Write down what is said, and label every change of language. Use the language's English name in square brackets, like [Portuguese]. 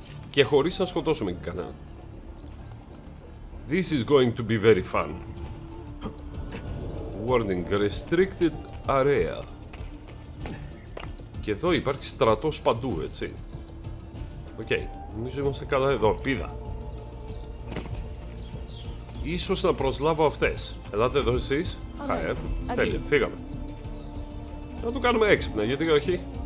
[Greek] Και χωρίς να σκοτώσουμε και κανέναν. [English] This is going to be very fun. Warning, restricted area. [Greek] Και εδώ υπάρχει στρατός παντού, έτσι. Okay. Νομίζω είμαστε καλά εδώ. Πίδα. Ίσως να προσλάβω αυτές. Ελάτε εδώ εσείς. Okay. Hi, okay. Τέλεια. Okay. Φύγαμε. Να το κάνουμε έξυπνα. Γιατί όχι.